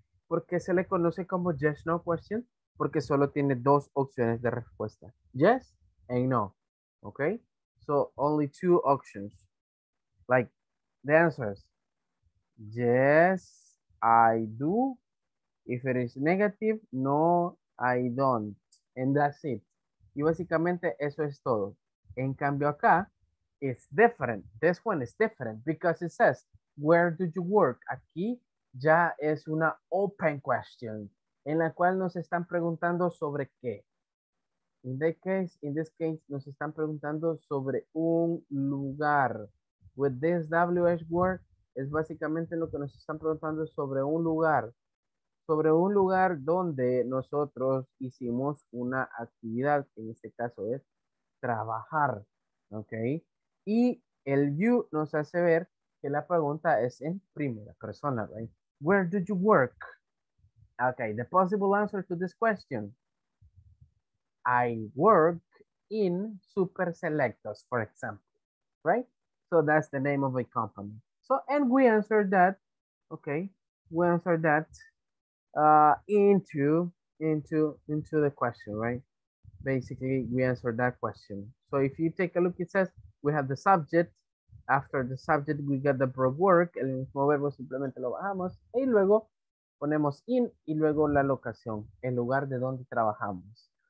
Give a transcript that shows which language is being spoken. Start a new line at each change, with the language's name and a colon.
Spanish: ¿Por qué se le conoce como yes, no question? Porque solo tiene dos opciones de respuesta, yes and no, okay?
English: So only two options, like the answers, yes, I do. If it is negative, no, I don't. And that's it.
Spanish: Y básicamente eso es todo. En cambio acá,
English: it's different. This one is different because it says, where do you work?
Spanish: Aquí ya es una open question en la cual nos están preguntando sobre qué.
English: In this case,
Spanish: nos están preguntando sobre un lugar.
English: With this WH word,
Spanish: es básicamente lo que nos están preguntando sobre un lugar. Sobre un lugar donde nosotros hicimos una actividad, que en este caso es trabajar, ¿ok? Y el you nos hace ver que la pregunta es en primera persona, right?
English: Where do you work? Okay, the possible answer to this question. I work in Super Selectos, for example, right? So that's the name of a company. So, and we answered that, okay? We answered that. Into the question, right? Basically, we answered that question. So if you take a look, it says we have the subject. After the subject, we get the verb work.
Spanish: El mismo verbo simplemente lo bajamos. Y luego ponemos in y luego la locación, el lugar de donde trabajamos.